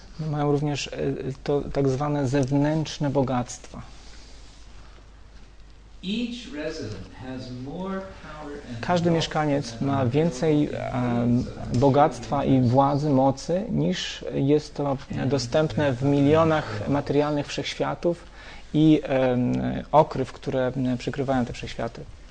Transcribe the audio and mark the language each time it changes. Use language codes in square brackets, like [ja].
[pl] Mają również to tak zwane zewnętrzne bogactwa. [en] Each resident has more power and. [pl] Każdy mieszkaniec ma więcej bogactwa i władzy, mocy, niż jest to dostępne w milionach materialnych wszechświatów i okryw, które przykrywają te wszechświaty.